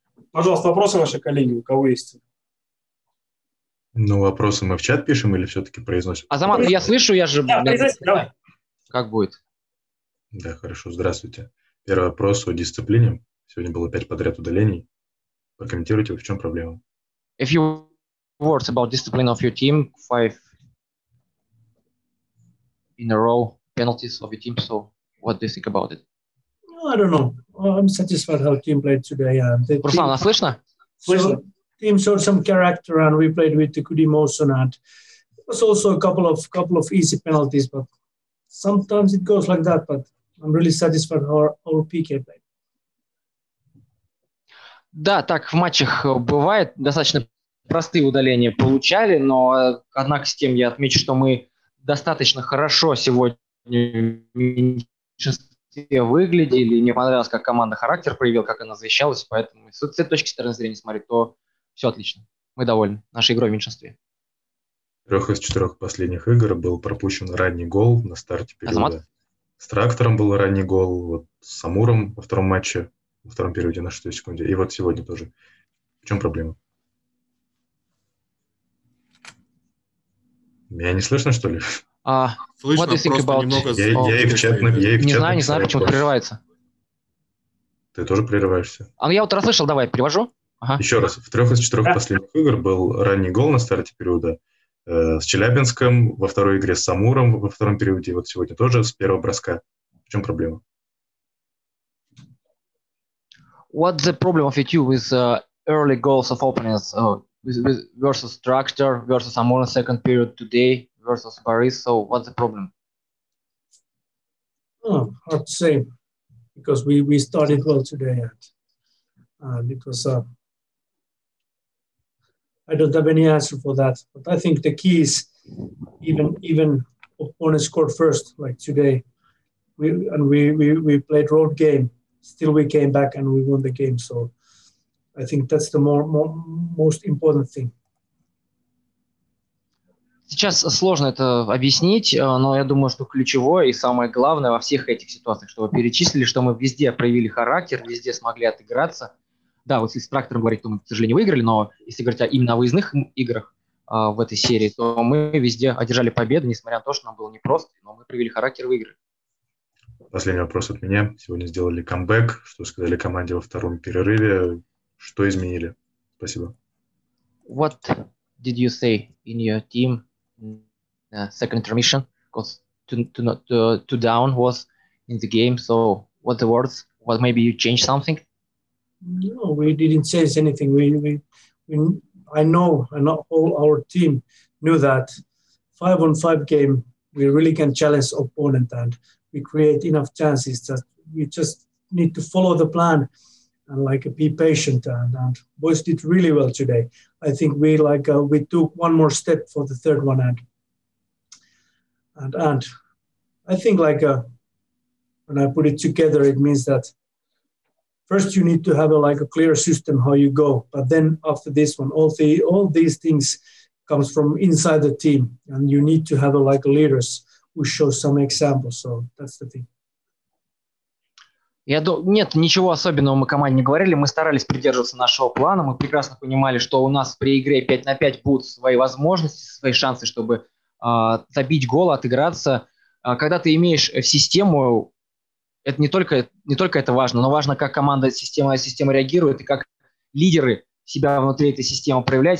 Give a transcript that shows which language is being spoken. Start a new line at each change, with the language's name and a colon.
Russian: Пожалуйста, вопросы ваши коллеги, у кого есть? Ну, вопросы мы в чат пишем или все-таки произносим? Азамат, я слышу, я же... Да, как будет? Да, хорошо, здравствуйте. Первый вопрос о дисциплине. Сегодня было 5 подряд удалений. Прокомментируйте, в чем проблема?
English: If you words about discipline of your team, 5 in a row penalties of your team, so what do you think about it? No, I don't know. I'm satisfied how team played today.
Russian: Руслан, нас слышно? Слышно.
English: Team showed some character and we played with the good emotion and it was also a couple of easy penalties, but sometimes it goes like that, but I'm really satisfied how our PK played.
Russian: Да, так в матчах бывает, достаточно простые удаления получали, но однако с тем я отмечу, что мы достаточно хорошо сегодня выглядели, мне понравилось, как команда характер проявила, как она защищалась, поэтому с этой точки зрения смотреть, то все отлично. Мы довольны нашей игрой в меньшинстве. Трех из четырех последних игр был пропущен ранний гол на старте периода. Азамат? С трактором был ранний гол, вот с Амуром во втором матче, во втором периоде на 6 секунде. И вот сегодня тоже. В чем проблема? Меня не слышно, что ли? Слышно, просто
English: about...
Russian: немного... Я их тщательно... Не знаю, почему это прерывается. Ты тоже прерываешься? А ну я вот расслышал, давай, перевожу. Ага. Еще раз, в трех из четырех последних игр был ранний гол на старте периода с Челябинском, во второй игре с Самуром во втором периоде, и вот сегодня тоже с первого броска. В чем проблема?
English: What the problem of you with early goals of openings with versus Traktor versus Amur in second period today versus Paris? So what's the problem? Oh, hard to say because we started well today and it was I don't have any answer for that. But I think the key is even opponents scored first like today. We played road game. Still, we came back and we won the game. So, I think that's the most important thing.
Russian: Сейчас сложно это объяснить, но я думаю, что ключевое и самое главное во всех этих ситуациях, что вы перечислили, что мы везде проявили характер, везде смогли отыграться. Да, вот если с трактором говорить, то мы, к сожалению, выиграли, но если говорить именно о выездных играх в этой серии, то мы везде одержали победу, несмотря на то, что нам было непросто, но мы проявили характер и выиграли. Последний вопрос от меня. Сегодня сделали камбэк. Что сказали команде во втором перерыве? Что изменили? Спасибо.
English: What did you say in your team in the second intermission? Because two down was in the game. So what the words? What maybe you changed something? No, we didn't change anything. We I know all our team knew that 5-on-5 game we really can challenge opponent and we create enough chances that we just need to follow the plan and like be patient. And boys did really well today. I think we like we took one more step for the third one. And I think like when I put it together, it means that first you need to have a like a clear system how you go. But then after this one, all these things comes from inside the team. And you need to have a like a leaders who show some examples, so that's the thing.
Russian: Нет, ничего особенного мы команде не говорили, мы старались придерживаться нашего плана, мы прекрасно понимали, что у нас при игре 5 на 5 будут свои возможности, свои шансы, чтобы забить гол, отыграться. Когда ты имеешь в систему это не только это важно, но важно, как команда, система реагирует, и как лидеры себя внутри этой системы проявляют.